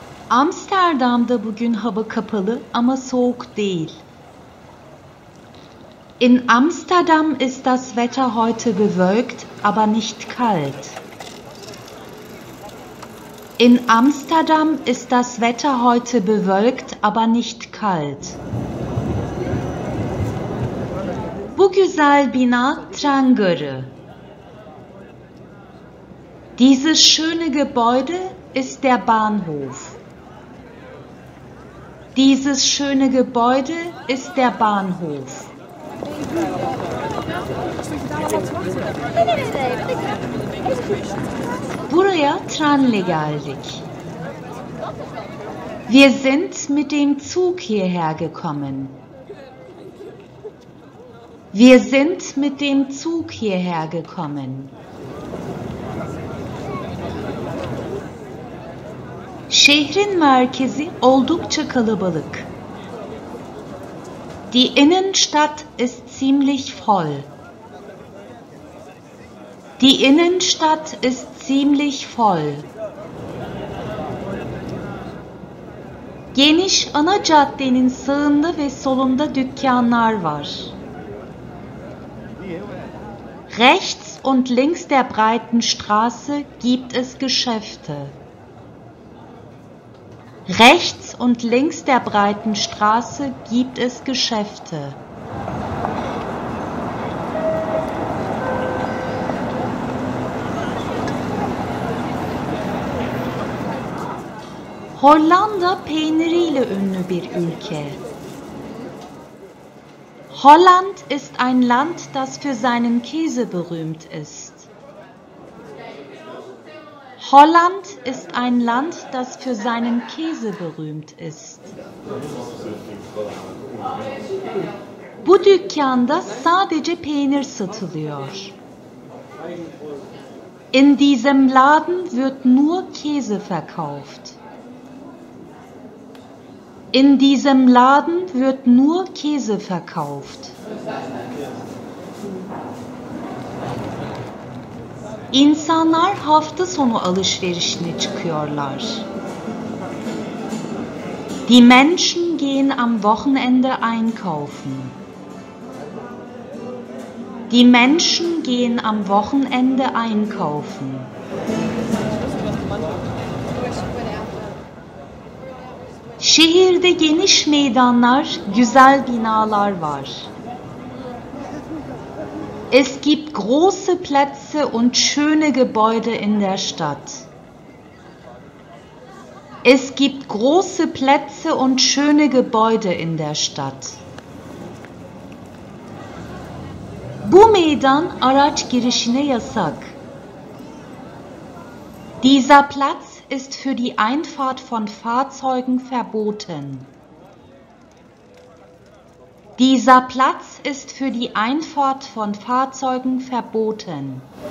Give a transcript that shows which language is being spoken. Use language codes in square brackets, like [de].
[tr] Amsterdam'da bugün hava kapalı ama soğuk değil. [de] In Amsterdam ist das Wetter heute bewölkt, aber nicht kalt. In Amsterdam ist das Wetter heute bewölkt, aber nicht kalt. [tr] Bu güzel bina tren garı. [de] Dieses schöne Gebäude ist der Bahnhof. Dieses schöne Gebäude ist der Bahnhof. [tr] Buraya trenle geldik. [de] Wir sind mit dem Zug hierher gekommen. Wir sind mit dem Zug hierher gekommen. [tr] Şehrin merkezi oldukça kalabalık. [de] Die Innenstadt ist ziemlich voll. Die Innenstadt ist ziemlich voll. [tr] Geniş ana caddenin sağında ve solunda dükkanlar var. [de] Rechts und links der breiten Straße gibt es Geschäfte. Rechts und links der breiten Straße gibt es Geschäfte. [tr] Hollanda peyniriyle ünlü bir ülke. [de] Holland ist ein Land, das für seinen Käse berühmt ist. Holland ist ein Land, das für seinen Käse berühmt ist. [tr] Bu dükkanda sadece peynir satılıyor. [de] In diesem Laden wird nur Käse verkauft. In diesem Laden wird nur Käse verkauft. [tr] İnsanlar hafta sonu alışverişine çıkıyorlar. [de] Die Menschen gehen am Wochenende einkaufen. Die Menschen gehen am Wochenende einkaufen. [tr] Şehirde geniş meydanlar, güzel binalar var. [de] Es gibt große Plätze und schöne Gebäude in der Stadt. Es gibt große Plätze und schöne Gebäude in der Stadt. [tr] Bu meydan araç girişine yasak. [de] Dieser Platz ist für die Einfahrt von Fahrzeugen verboten. Dieser Platz ist für die Einfahrt von Fahrzeugen verboten.